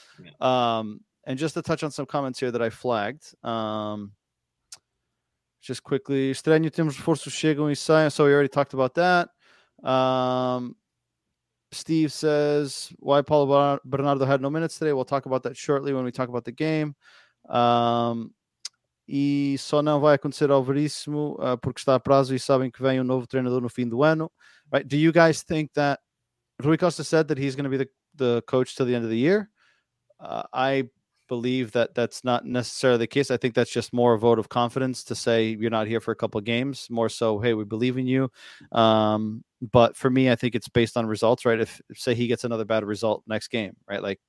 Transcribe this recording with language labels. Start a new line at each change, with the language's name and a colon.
English: Yeah. And just to touch on some comments here that I flagged, just quickly,
Portuguese: estranho temos reforços chegam e saem.
English: So we already talked about that. Steve says, why Paulo Bernardo had no minutes today? We'll talk about that shortly when we talk about the game.
Portuguese: E só não vai acontecer ao veríssimo porque está a prazo e sabem que vem novo treinador no fim do ano.
English: Right? Do you guys think that Rui Costa said that he's going to be the coach till the end of the year? I believe that that's not necessarily the case. I think that's just more a vote of confidence to say you're not here for a couple of games, more so, hey, we believe in you. But for me, I think it's based on results, right? If say he gets another bad result next game, right?